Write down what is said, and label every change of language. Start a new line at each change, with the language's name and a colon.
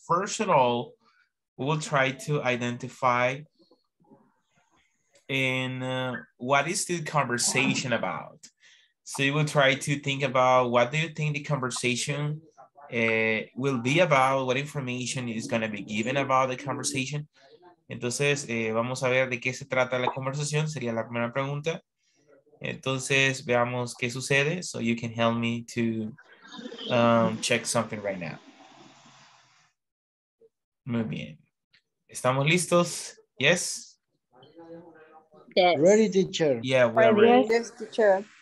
English: First of all, we will try to identify in what is the conversation about. So you will try to think about what do you think the conversation will be about, what information is going to be given about the conversation.
Spanish: Entonces, vamos a ver de qué se trata la conversación, sería la primera pregunta. Entonces, veamos qué sucede.
English: So you can help me to check something right now.
Spanish: Muy bien. ¿Estamos listos?
English: Yes? Yes. Ready, teacher. Yeah, we're ready. Yes, teacher.